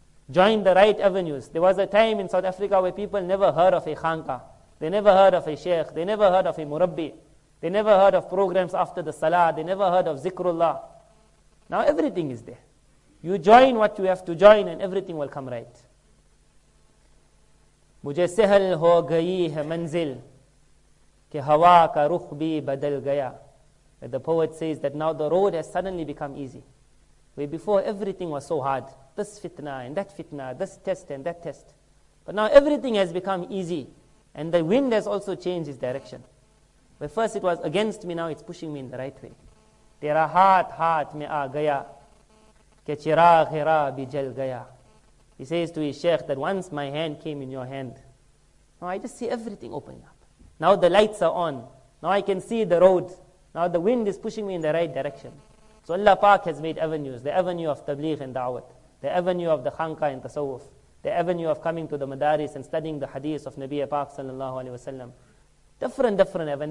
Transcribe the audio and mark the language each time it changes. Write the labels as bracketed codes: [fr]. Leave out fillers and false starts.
[en] Joined the right avenues. There was a time in South Africa where people never heard of a khanka. They never heard of a sheikh. They never heard of a murabbi. They never heard of programs after the salah. They never heard of zikrullah. Now everything is there. You join what you have to join and everything will come right. [ur] مجھے سہل ہو گئی ہے منزل کہ ہوا کا رخ بھی بدل گیا. [en] The poet says that now the road has suddenly become easy. Where before everything was so hard. This fitna and that fitna, this test and that test. But now everything has become easy. And the wind has also changed its direction. Where first it was against me, now it's pushing me in the right way. [ur] تیرا ہاتھ ہاتھ میں آ گیا کہ چراغ راہ بھی جل گیا. [en] He says to his sheikh that once my hand came in your hand, now I just see everything opening up. Now the lights are on. Now I can see the road. Now the wind is pushing me in the right direction. So Allah Pak has made avenues, the avenue of tabligh and da'wat, the avenue of the khanka and tasawwuf, the avenue of coming to the madaris and studying the hadith of Nabi Pak sallallahu alayhi wa sallam. Different avenues.